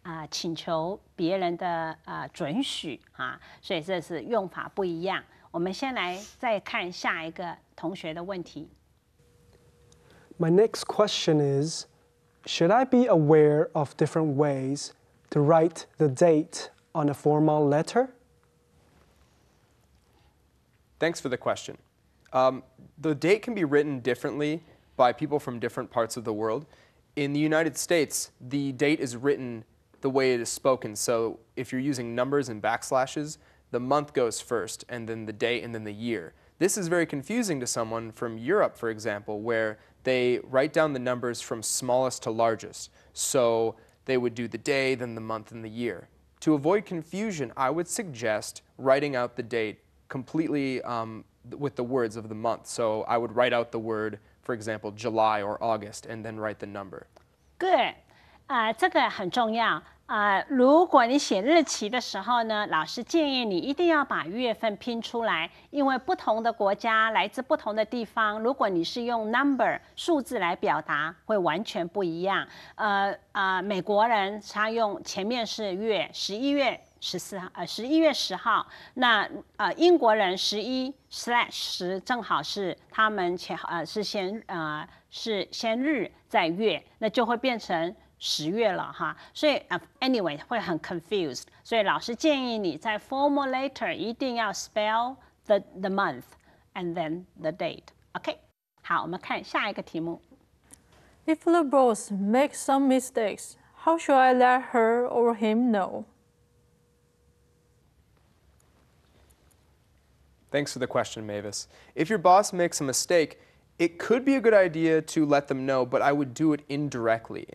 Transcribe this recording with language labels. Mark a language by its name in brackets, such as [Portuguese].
[Chinese] 请求别人的准许啊，所以这是用法不一样。我们先来再看下一个同学的问题。 [English] My next question is, should I be aware of different ways to write the date on a formal letter? Thanks for the question. The date can be written differently by people from different parts of the world. In the United States, the date is written the way it is spoken. So if you're using numbers and backslashes, the month goes first, and then the day, and then the year. This is very confusing to someone from Europe, for example, where they write down the numbers from smallest to largest. So they would do the day, then the month, and the year. To avoid confusion, I would suggest writing out the date completely with the words of the month. So I would write out the word, for example, July or August, and then write the number. [Chinese] Good. 这个很重要。如果你写日期的时候呢，老师建议你一定要把月份拼出来，因为不同的国家，来自不同的地方，如果你是用 number 数字来表达，会完全不一样。美国人他用前面是月，11月10号，那英国人11/10正好是他们前是先日再月，那就会变成十月了哈，所以anyway 会很 confused， 所以老师建议你在 formal letter 一定要 [English] spell the month and then the date。 [Chinese] OK， 好，我们看下一个题目。 [English] If the boss makes some mistakes, how should I let her or him know? Thanks for the question, Mavis. If your boss makes a mistake,It could be a good idea to let them know, but I would do it indirectly.